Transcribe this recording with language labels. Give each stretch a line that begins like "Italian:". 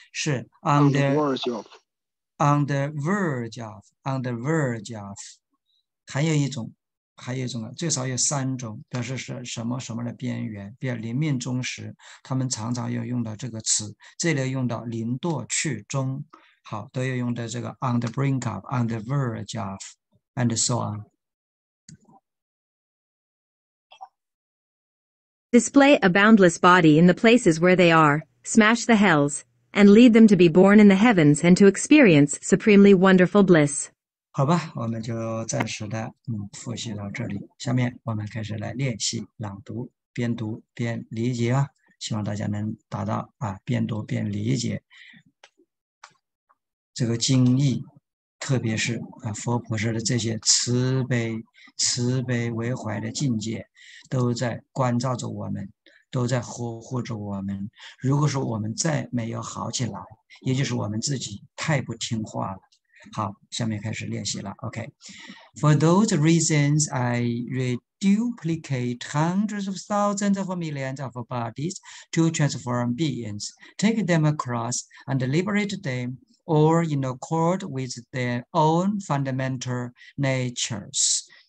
Chinese: 是
English: on the verge of,
Chinese: 还有一种啊，最少有三种，表示是什么什么的边缘，比如临命终时，他们常常要用到这个词，这里用到临堕去终，好，都要用到这个
English: on the brink of, on the verge of, and so on. Display a boundless body in the places where they are, smash the hells, and lead them to be born in the heavens and to experience supremely wonderful bliss.
Chinese: 好吧，我们就暂时的复习到这里。下面我们开始来练习朗读，边读边理解啊！希望大家能达到啊，边读边理解这个经义，特别是啊佛菩萨的这些慈悲为怀的境界，都在关照着我们，都在呵护着我们。如果说我们再没有好起来，也就是我们自己太不听话了。好，下面开始练习了。
English: OK, for those reasons, I reduplicate hundreds of thousands of millions of bodies to transform beings, take them across and liberate them, or in accord with their own fundamental natures.